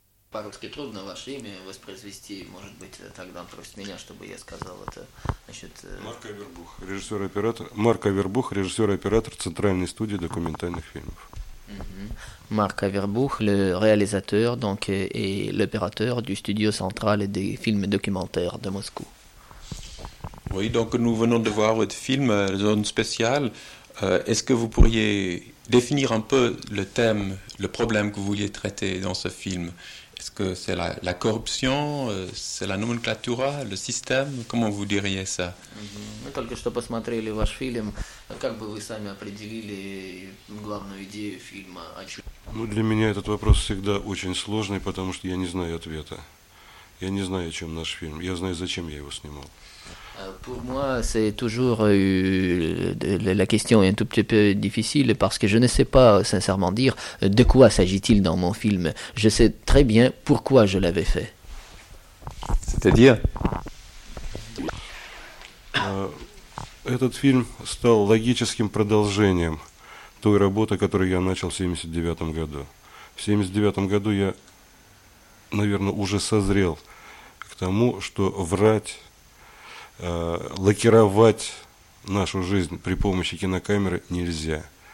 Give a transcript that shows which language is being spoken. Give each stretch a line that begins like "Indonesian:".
Russian: По-русски трудно ваше имя воспроизвести, может быть, тогда просит меня, чтобы я сказал это. Значит, Марк Авербух, режиссер-оператор. Марк Авербух, режиссер-оператор центральной студии документальных фильмов.
French: Марк Авербух, le réalisateur donc et l'opérateur du studio central des films documentaires de Moscou. Oui, donc nous venons de voir votre film Zone spéciale. Est-ce que vous pourriez définir un peu le thème, le problème que vous vouliez traiter dans ce film? Est-ce que c'est la corruption, c'est la nomenclatura, le système? Comment vous diriez ça?
Russian: Мы только что посмотрели ваш фильм. Как бы вы сами определили главную идею фильма? Ну, для меня этот вопрос всегда очень сложный, потому что я не знаю ответа. Я не знаю, о чем наш фильм. Я знаю, зачем я его снимал.
French: Pour moi, c'est toujours la question est un tout petit peu difficile parce que je ne sais pas sincèrement dire de quoi s'agit-il dans mon film. Je sais très bien pourquoi je l'avais fait. C'est-à-dire?
Russian: Этот фильм стал логическим продолжением той работы, которую я начал в 79 году. В 79 году я, наверное, уже созрел к тому, что врать, лакировать нашу жизнь при помощи кинокамеры нельзя.